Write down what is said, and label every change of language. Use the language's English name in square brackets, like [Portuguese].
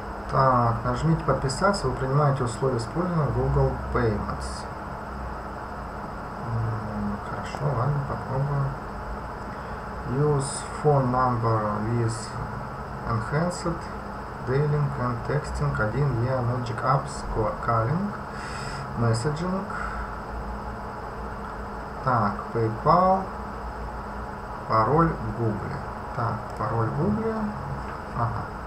[Russian] Так, нажмите подписаться, вы принимаете условия использования Google Payments. Хорошо, ладно, попробуем. [English] Use phone number with enhanced dialing and texting 1 year Magic Apps calling messaging. [Russian] Так, PayPal, пароль Google. Так, пароль Google. Ага.